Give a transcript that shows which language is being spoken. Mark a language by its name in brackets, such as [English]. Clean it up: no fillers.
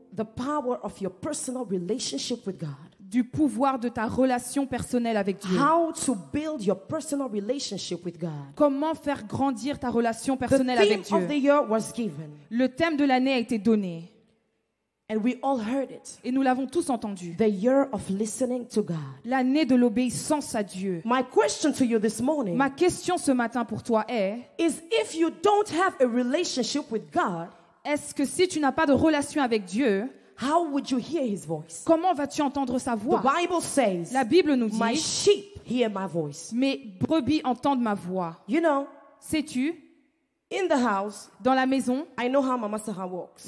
[English] the power of your personal relationship with God. [French] Du pouvoir de ta relation personnelle avec Dieu. [English] How to build your personal relationship with God. [French] Comment faire grandir ta relation personnelle [English] the theme [French] avec Dieu. [English] Of the year was given. [French] Le thème de l'année a été donné. [English] And we all heard it. [French] Et nous l'avons tous entendu. [English] The year of listening to God. [French] L'année de l'obéissance à Dieu. [English] My question to you this morning, [French] ma question ce matin pour toi est, [English] is if you don't have a relationship with God, [French] est-ce que si tu n'as pas de relation avec Dieu, [English] how would you hear his voice? [French] Comment vas-tu entendre sa voix? [English] The Bible says, [French] la Bible nous dit, [English] my sheep hear my voice. [French] Mes brebis entendent ma voix. [English] You know, [French] sais-tu, [English] in the house, [French] dans la maison, [English] I know how Mama Sarah walks.